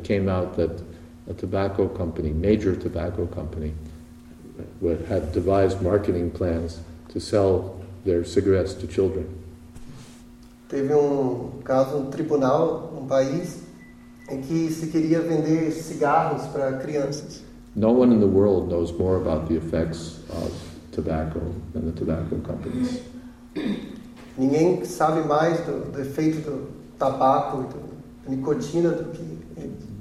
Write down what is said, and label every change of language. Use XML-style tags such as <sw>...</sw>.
<en>It came out that a tobacco company, major tobacco company, had devised marketing plans to sell their cigarettes to children.</en> <pt>Teve caso no tribunal, país, em que se queria vender cigarros para crianças.</pt> <en>No one in the world knows more about the effects of tobacco than the tobacco companies.</en> <pt>Ninguém sabe mais do efeito do tabaco e da nicotina do que eles.</pt>